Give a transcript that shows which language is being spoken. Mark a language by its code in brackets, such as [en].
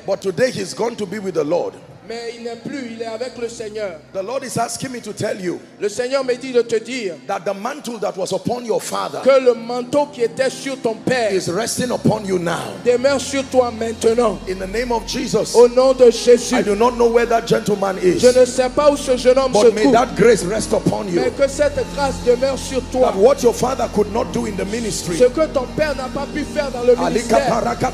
[en] But today he's gone to be with the Lord. [fr] Mais il n'est plus. Il est avec le Seigneur. [en] The Lord is asking me to tell you. [fr] Le Seigneur me dit de te dire [en] that the mantle that was upon your father, [fr] que le manteau qui était sur ton père, [en] is resting upon you now. [fr] Demeure sur toi maintenant. [en] In the name of Jesus. [fr] Au nom de Jésus. [en] I do not know where that gentleman is. [fr] Je ne sais pas où ce jeune homme se trouve. [en] But may that grace rest upon you. [fr] Mais que cette grâce demeure sur toi. [en] That what your father could not do in the ministry. [fr] Ce que ton père n'a pas pu faire dans le ministère.